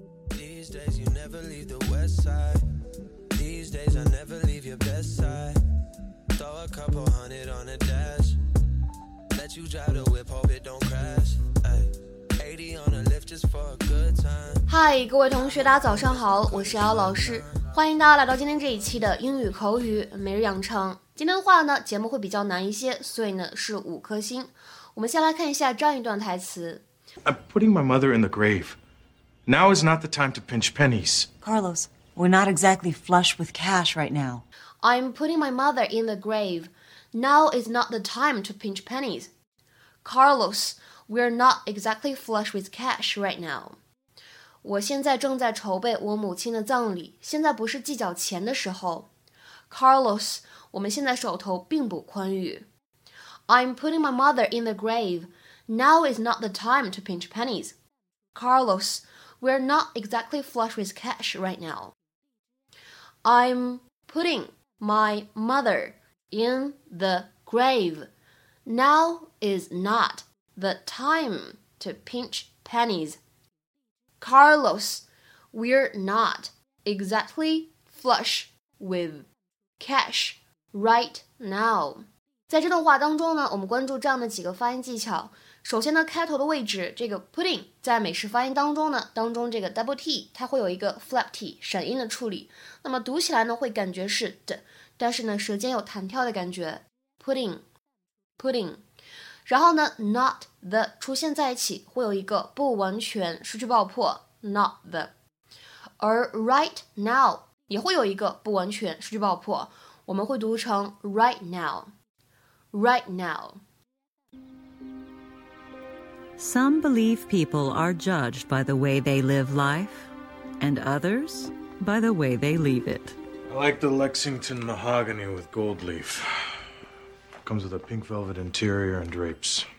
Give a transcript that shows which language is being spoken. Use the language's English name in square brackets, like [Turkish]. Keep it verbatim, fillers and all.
[English] These days you never leave the west side. These days I never leave your best side. Throw a couple hundred on a dash. Let you drive the whip, hope it don't crash. eighty on a lift just for a good time. [Chinese] 嗨，各位同学，大家早上好，我是姚老师，欢迎大家来到今天这一期的英语口语每日养成。今天的话呢，节目会比较难一些，所以呢是五颗星。我们先来看一下这样一段台词。 [English] I'm putting my mother in the grave. Now is not the time to pinch pennies. Carlos, we're not exactly flush with cash right now. I'm putting my mother in the grave. Now is not the time to pinch pennies. Carlos, we're not exactly flush with cash right now. [Chinese] 我现在正在筹备我母亲的葬礼，现在不是计较钱的时候。 Carlos, 我们现在手头并不宽裕。 [English] I'm putting my mother in the grave. Now is not the time to pinch pennies. Carlos, we're not exactly flush with cash right now. I'm putting my mother in the grave. Now is not the time to pinch pennies. Carlos, we're not exactly flush with cash right now. [Chinese] 在这段话当中呢，我们关注这样的几个发音技巧。首先呢，开头的位置，这个 pudding 在美式发音当中呢，当中这个 double t 它会有一个 flap t 闪音的处理，那么读起来呢会感觉是 d， 但是呢舌尖有弹跳的感觉。 pudding pudding， 然后呢 not the 出现在一起会有一个不完全失去爆破 not the， 而 right now 也会有一个不完全失去爆破，我们会读成 right now。 [English] Right now. Some believe people are judged by the way they live life, and others by the way they leave it. I like the Lexington mahogany with gold leaf. Comes with a pink velvet interior and drapes.